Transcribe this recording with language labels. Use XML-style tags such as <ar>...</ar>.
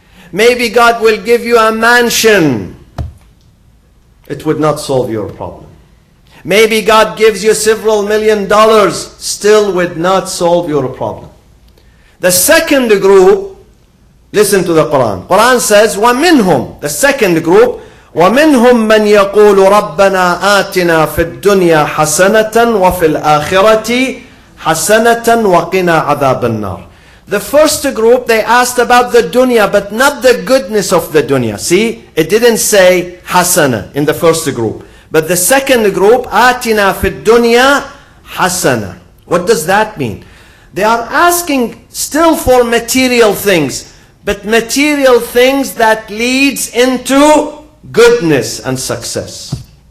<en>Maybe God will give you a mansion. It would not solve your problem. Maybe God gives you several million dollars, still would not solve your problem. The second group, listen to the Quran. Quran says,</en> <ar>وَمِنْهُمْ,</ar> <en>the second group,</en> <ar>وَمِنْهُمْ مَنْ يَقُولُ رَبَّنَا آتِنَا فِي الدُّنْيَا حَسَنَةً وَفِي الْآخِرَةِ حَسَنَةً وَقِنَا عَذَابَ النَّارِ.</ar> <en>The first group, they asked about the dunya, but not the goodness of the dunya. See, it didn't say حَسَنَة in the first group. But the second group,</en> <ar>آتِنَا فِي الدُّنْيَا حَسَنَة.</ar> <en>What does that mean? They are asking still for material things, but material things that leads into goodness and success.</en>